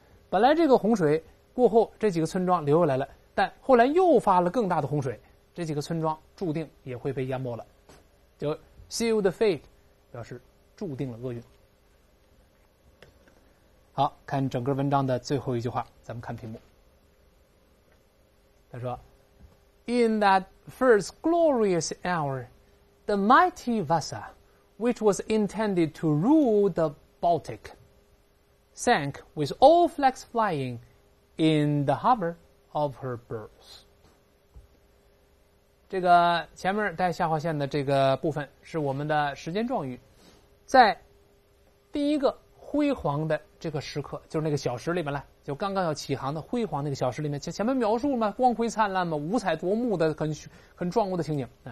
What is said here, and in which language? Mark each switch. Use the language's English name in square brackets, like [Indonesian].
[Chinese] 本来这个洪水过后，这几个村庄留下来了，但后来又发了更大的洪水，这几个村庄注定也会被淹没了。就 seal the fate 表示注定了厄运。好，看整个文章的最后一句话，咱们看屏幕。他说 [English] ：“In that first glorious hour, the mighty Vasa, which was intended to rule the Baltic, sank with all flags flying in the harbor of her birth。” [Chinese] 这个前面带下划线的这个部分是我们的时间状语，在第一个。辉煌的这个时刻就是那个小时里面了，就刚刚要起航的辉煌那个小时里面，前面描述嘛，光辉灿烂嘛，五彩夺目的很壮观的情景、